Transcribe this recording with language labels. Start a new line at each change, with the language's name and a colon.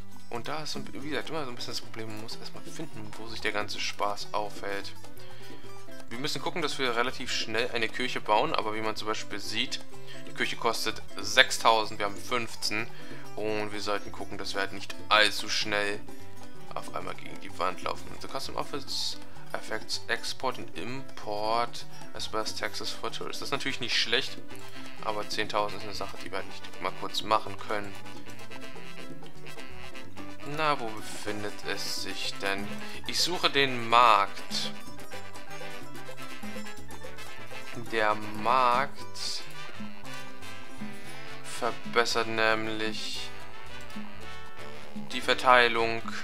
German: Und da ist, wie gesagt, immer so ein bisschen das Problem, man muss erstmal finden, wo sich der ganze Spaß aufhält. Wir müssen gucken, dass wir relativ schnell eine Kirche bauen, aber wie man zum Beispiel sieht, die Kirche kostet 6.000, wir haben 15 und wir sollten gucken, dass wir halt nicht allzu schnell auf einmal gegen die Wand laufen.
English: The Custom Office affects Export and Import as well as Taxes for Tourists.
German: Das ist natürlich nicht schlecht, aber 10.000 ist eine Sache, die wir halt nicht mal kurz machen können. Na, wo befindet es sich denn? Ich suche den Markt. Der Markt verbessert nämlich die Verteilung.